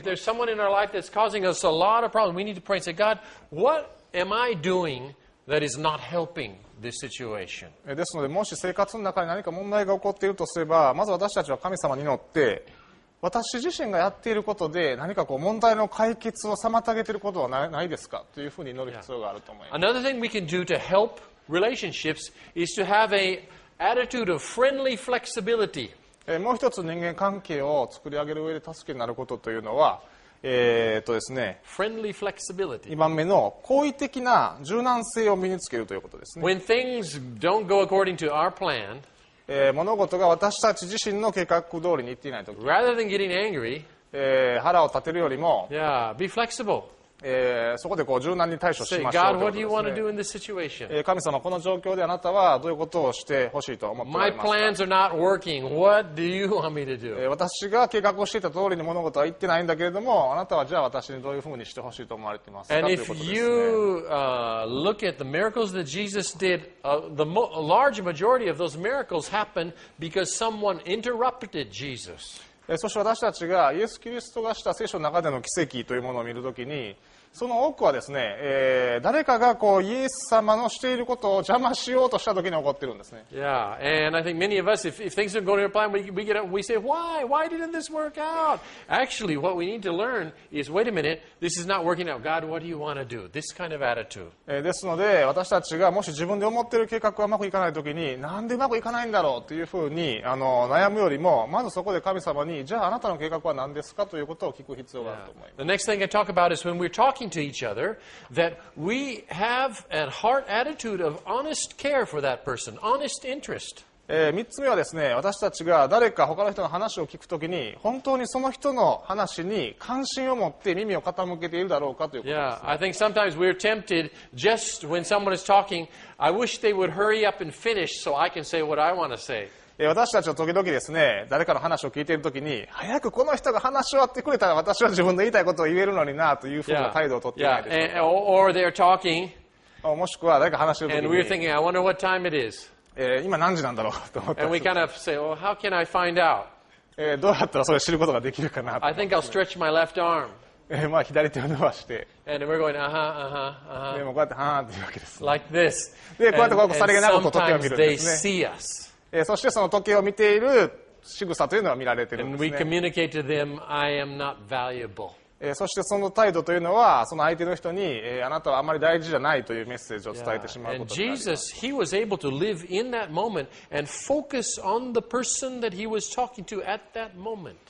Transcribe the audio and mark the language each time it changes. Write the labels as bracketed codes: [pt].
[en] And so if there's someone in our life that's causing us a lot of problems, we need to pray and say, God, what am I doing that is not helping? This situation. [ja] ですのでもし生活の中に何か問題が起こっているとすればまず私たちは神様に祈って私自身がやっていることで何かこう問題の解決を妨げていることはないですかというふうに祈る必要があると思います。 [en] Another thing we can do to help relationships is to have an attitude of friendly flexibility. [ja] もう一つ人間関係を作り上げる上で助けになることというのはですね、 [en] Friendly flexibility. [ja] 2番目の好意的な柔軟性を身につけるということですね。 [en] When things don't go according to our plan, [ja] 物事が私たち自身の計画通りにいっていないとき [en] Rather than getting angry, [ja] 腹を立てるよりも [en] yeah, be flexible. [ja] そこでこう柔軟に対処しましょう。 [en] Say, God, what do you want to do in this situation? [ja] 神様この状況であなたはどういうことをしてほしいと思っておりますか。 [en] My plans are not working. What do you want me to do? [ja] 私が計画をしていた通りに物事は言ってないんだけれどもあなたはじゃあ私にどういうふうにしてほしいと思われていますか。 [en] And if you look at the miracles that Jesus did, large majority of those miracles happened because someone interrupted Jesus. [ja] そして私たちがイエス・キリストがした聖書の中での奇跡というものを見るときにその多くはですね、誰かがこうイエス様のしていることを邪魔しようとした時に起こっているんですね。 [en] Yeah, and I think many of us, if things are going to plan, we get up, we say, why? Why didn't this work out? Actually, what we need to learn is, wait a minute, this is not working out. God, what do you want to do? This kind of attitude. [ja] ですので、私たちがもし自分で思っている計画がうまくいかない時に、なんでうまくいかないんだろうというふうに悩むよりも、まずそこで神様に、じゃああなたの計画は何ですかということを聞く必要があると思います。 [en] Yeah. The next thing I talk about is when we're talking to each other, that we have a heart attitude of honest care for that person, honest interest. [ja] 3つ目はですね、私たちが誰か他の人の話を聞くときに、本当にその人の話に関心を持って耳を傾けているだろうかということです、ね。 [en] Yeah, I think sometimes we're tempted just when someone is talking, I wish they would hurry up and finish so I can say what I want to say. [ja] 私たちは時々ですね、誰かの話を聞いているときに、早くこの人が話し終わってくれたら私は自分の言いたいことを言えるのになというふうな態度をとっていないでしょうか。 [en] Yeah. Or they're talking. [ja] もしくは誰か話しているときに。 [en] And we're thinking, I wonder what time it is. [ja] 今何時なんだろうと思って。 [en] And we kind of say, well, how can I find out? [ja] どうやったらそれを知ることができるかなと、 [en] ね。I think I'll stretch my left arm. [ja] まあ左手を伸ばして。 [en] And we're going, uh-huh, uh-huh, uh-huh. [ja] でもこうやって、はーっていうわけです、ね。 [en] Like this. [ja] で、こうやってこうさりげなことをとってはみるんですね。 [en] And sometimes they see us. [ja] そしてその時計を見ている仕草というのは見られているんですね。 [en] And we communicate to them, I am not valuable. [ja] そしてその態度というのはその相手の人に、あなたはあまり大事じゃないというメッセージを伝えてしまうことになります。 [en] And Jesus, he was able to live in that moment and focus on the person that he was talking to at that moment.